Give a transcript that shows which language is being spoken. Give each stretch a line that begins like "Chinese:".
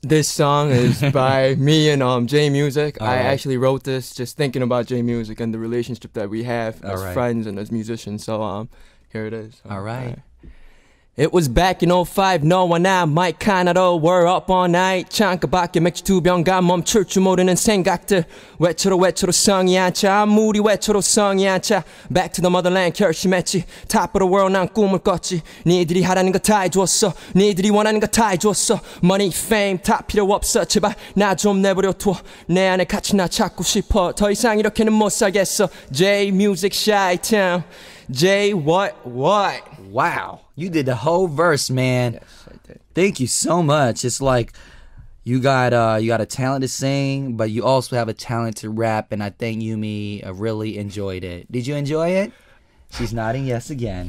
English: This song is by me and J-Music. Right. I actually wrote this just thinking about J-Music and the relationship that we have as friends and as musicians. So here it is. All right. It was back in 05, no one now, Mike Kanado, we're up all night.
Korean: 잠깐밖에 맥주 두 병 가 멈출 줄 모르는 생각들. 외쳐로 성이 안 차, 아무리 외쳐로 성이 안 차.
English: Back to the motherland,
Korean: 결심했지.
English: Top of the world,
Korean: 난 꿈을 꿨지. 니들이 하라는 거 다 해줬어. 니들이 원하는 거 다 해줬어.
English: Money, fame,
Korean: 다 필요 없어. 제발, 나 좀 내버려 둬. 내 안에 같이 나 찾고 싶어. 더 이상 이렇게는 못 살겠어.
English: J-Music, Shy Town. J-What-What. Wow. You did the whole verse, man. Yes, I did. Thank you so much. It's like you got a talent to sing, but you also have a talent to rap, and I think Yumi really enjoyed it. Did you enjoy it? She's nodding yes again.